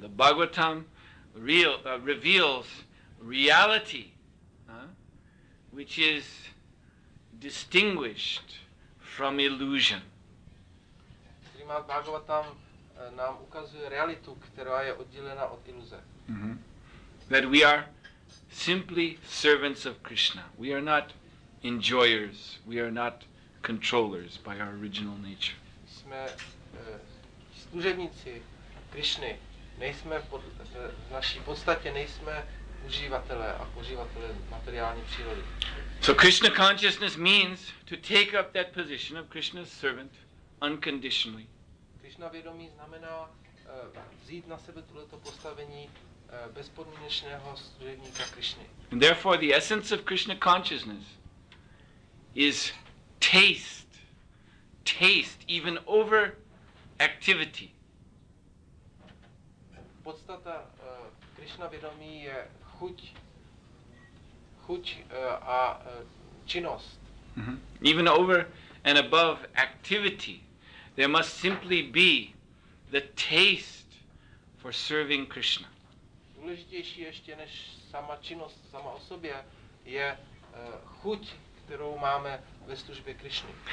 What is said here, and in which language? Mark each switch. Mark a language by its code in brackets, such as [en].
[en] The Bhagavatam reveals reality, which is distinguished from illusion. [cs] Srimad Bhagavatam nám ukazuje realitu, která je oddělena od iluze. [en] That we are simply servants of Krishna. We are not enjoyers. We are not controllers by our original nature. [cs] Jsme služebníci Krišny. Nejsme v naší podstatě nejsme uživatelé a uživatelé materiální přírody. [en] So Krishna consciousness means to take up that position of Krishna's servant unconditionally. [cs] Krishna vědomí znamená vzít na sebe tuto postavení bezpodmínečného služebníka Krišny. [en] And therefore the essence of Krishna consciousness is taste even over activity. [cs] Podstata Krishna vědomí je chuť a činnost. [en] Even over and above activity, there must simply be the taste for serving Krishna. [cs] Důležitější ještě než sama činnost sama o sobě je chuť, kterou máme ve službě Krišny.